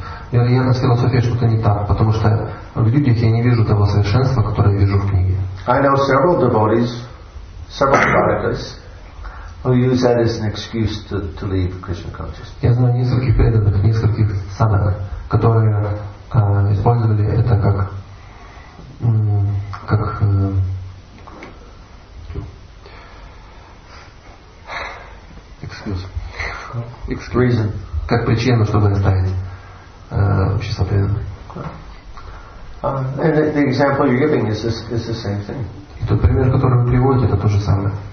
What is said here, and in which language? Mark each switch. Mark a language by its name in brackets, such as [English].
[Russian] Вероятно, с философией что-то не так, потому что в людях я не вижу того совершенства, которое я вижу в книге. [English] I know several devotees, several sadhakas, who use that as an excuse to leave Krishna consciousness. [Russian] Я знаю нескольких преданных, нескольких садак, которые использовали это как причину, чтобы оставить. [English] And the example you're giving is the same thing. [Russian] И тот пример, который вы приводите, это то же самое.